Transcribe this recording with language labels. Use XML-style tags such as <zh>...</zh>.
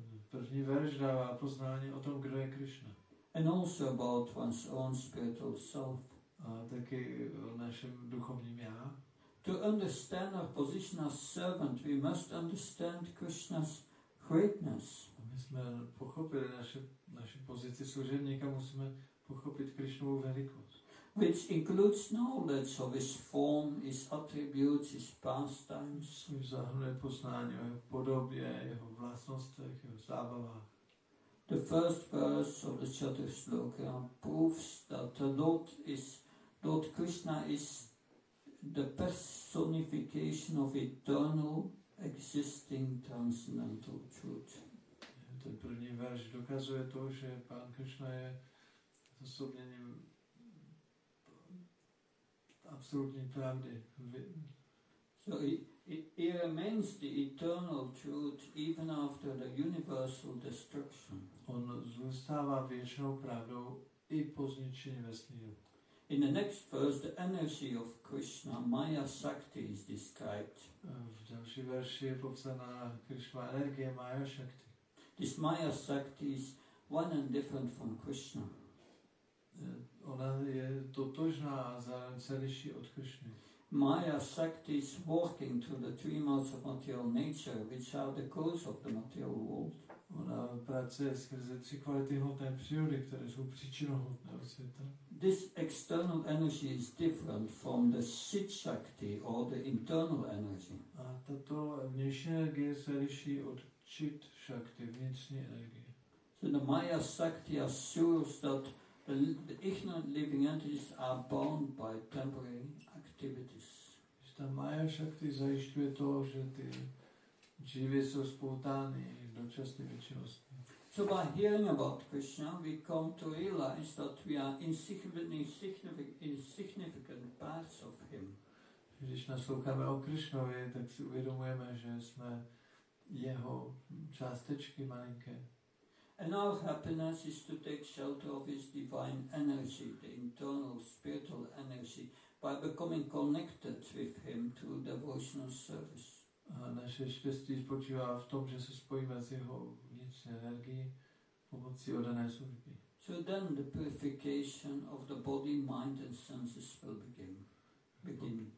<cs>První verš dává poznání o tom, kdo je Krishna.</cs> <en>And also about one's own spiritual self.</en> <cs>A taky o našem duchovním já.</cs> <en>To understand our position as servant, we must understand Krishna's greatness.</en> <cs>A my jsme pochopili naši pozici služebníka, musíme pochopit Krishnovu velikost.</cs> <en>Which includes knowledge of his form, his attributes, his pastimes.</en> <cs>Což zahrnuje poznání o jeho podobě, jeho vlastnostech, jeho zábavách.</cs> <en>The first verse of the Chatur Shloka proves that the Lord is, Lord Krishna is the personification of eternal, existing, transcendental truth.</en> <cs>Ten první verš dokazuje to, že pán Krishna je zosobněním absolutní pravdy.</cs> <en>So it remains the eternal truth even after the universal destruction.</en> <cs>On zůstává věčnou pravdou i po zničení vesmíru.</cs> <en>In the next verse, the energy of Krishna, Maya Shakti, is described.</en> <cs>V další verši je popsaná Krishna energie Maya Shakti.</cs> <en>This Maya Shakti is one and different from Krishna.</en> <cs>Ona je totožná a zároveň se liší od Krishny.</cs> <en>Maya Shakti is working through the three modes of material nature, which are the cause of the material world.</en> <cs>Ona pracuje skrze tři kvality hmotné přírody, které jsou příčinou hmotného světa.</cs> <en>This external energy is different from the Chit Shakti or the internal energy.</en> <cs>A tato vnější energie se liší od Chit Shakti, vnitřní energie.</cs> <en>So the Maya Shakti assures that the ignorant living entities are bound by temporary activities.</en> <cs>Ta Maya Shakti zajišťuje to, že ty živé jsou spoutány dočasnými činnostmi.</cs> <en>So by hearing about Krishna, we come to realize that we are insignificant parts of Him.</en> <cs>Když nasloucháme o Krishnovi, tak si uvědomujeme, že jsme jeho částečky malinké.</cs> <en>And our happiness is to take shelter of His divine energy, the internal spiritual energy, by becoming connected with Him through devotional service.</en> <cs>A naše štěstí spočívá v tom, že se spojíme s jeho energii pomocí odané služby.</cs> <en>So then the purification of the body, mind and senses will begin.</en>